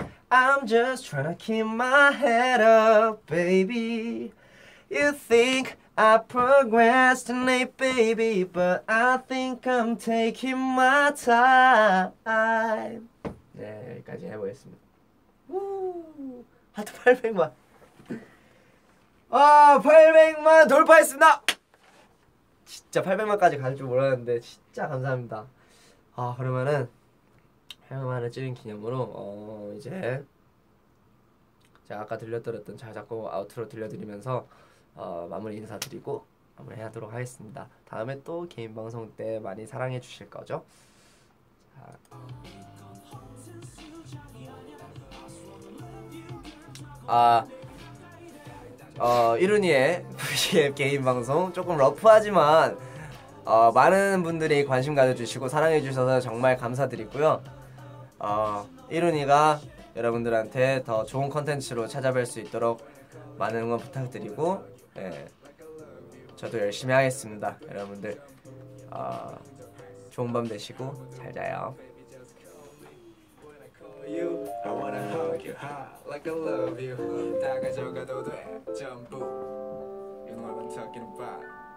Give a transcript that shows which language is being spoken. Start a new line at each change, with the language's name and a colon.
English: I'm just trying to keep my head up, baby. You think I procrastinate, baby, but I think I'm taking my time.
Korean: 네, 여기까지 해보겠습니다. 우우, 하트 800만. 와, 800만 돌파했습니다! 진짜 800만까지 갈줄 몰랐는데, 진짜 감사합니다. 그러면은, 800만을 찍은 기념으로, 이제, 제가 아까 들려드렸던 자작곡 아우트로 들려드리면서, 마무리 인사드리고, 마무리하도록 하겠습니다. 다음에 또 개인 방송 때 많이 사랑해 주실 거죠? 자. 이루니의 VF 개인 방송. 조금 러프하지만, 많은 분들이 관심 가져주시고 사랑해주셔서 정말 감사드리고요. 이루니가 여러분들한테 더 좋은 컨텐츠로 찾아뵐 수 있도록 많은 응원 부탁드리고, 예. 저도 열심히 하겠습니다. 여러분들, 좋은 밤 되시고, 잘 자요.
English: You, I wanna hug you hard like I love you.
Korean: 다 가져가도 돼, 전부.
English: You know what I'm talking about.